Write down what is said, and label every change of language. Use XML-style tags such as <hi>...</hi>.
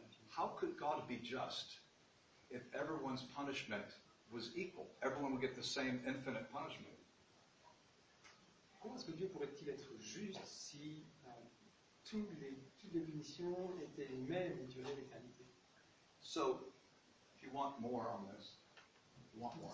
<en>How could God be just if everyone's punishment was equal? Everyone would get the same infinite punishment.</en> <fr>Comment est-ce que Dieu pourrait-il être juste si toutes les punitions étaient les mêmes et duraient l'éternité.</fr> <en>So, if you want more on this, you want more.</en>